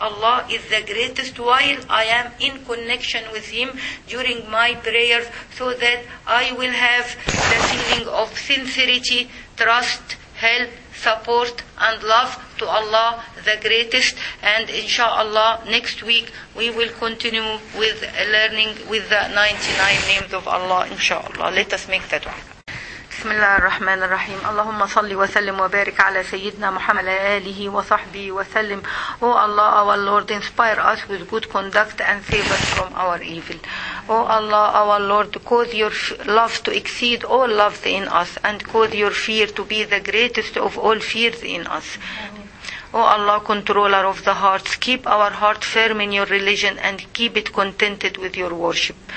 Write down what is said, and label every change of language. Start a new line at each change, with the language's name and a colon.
English: Allah is the greatest while I am in connection with Him during my prayers, so that I will have the feeling of sincerity, trust, help, support and love to Allah the greatest. And inshallah, next week we will continue with learning with the 99 names of Allah, inshallah. Let us make that one.
Arabic: بسم الله الرحمن الرحيم اللهم صل وسلم وبارك على سيدنا محمد آله وصحبه وسلم.
English: Oh Allah, our Lord, inspire us with good conduct and save us from our evil. Oh Allah, our Lord, cause your love to exceed all loves in us, and cause your fear to be the greatest of all fears in us. O Allah, controller of the hearts, keep our heart firm in your religion and keep it contented with your worship.